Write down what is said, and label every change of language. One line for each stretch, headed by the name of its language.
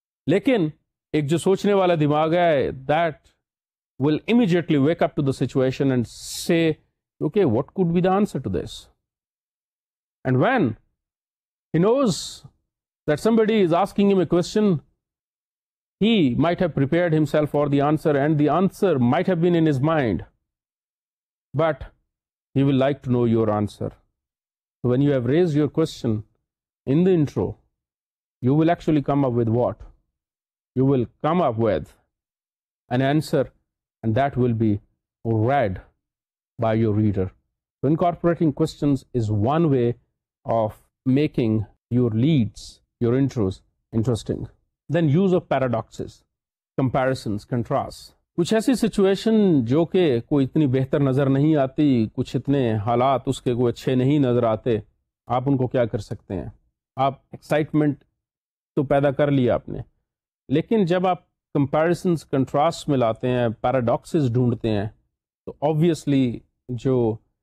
Urdu: لیکن ایک جو سوچنے والا دماغ ہے
English: That will immediately wake up to the situation and say okay what could be the answer to this, and when he knows that somebody is asking him a question he might have prepared himself for the answer and the answer might have been in his mind but he will like to know your answer. When you have raised your question in the intro, you will actually come up with what? You will come up with an answer, and that will be read by your reader. So incorporating questions is one way of making your leads, your intros, interesting. Then use of paradoxes, comparisons, contrasts.
Urdu: کچھ ایسی situation جو کہ کوئی اتنی بہتر نظر نہیں آتی, کچھ اتنے حالات اس کے کوئی اچھے نہیں نظر آتے, آپ ان کو کیا کر سکتے ہیں؟ آپ ایکسائٹمنٹ تو پیدا کر لیا آپ نے, لیکن جب آپ کمپیریسنس کنٹراسٹ ملاتے ہیں, پیراڈاکسز ڈھونڈتے ہیں, تو آبویسلی جو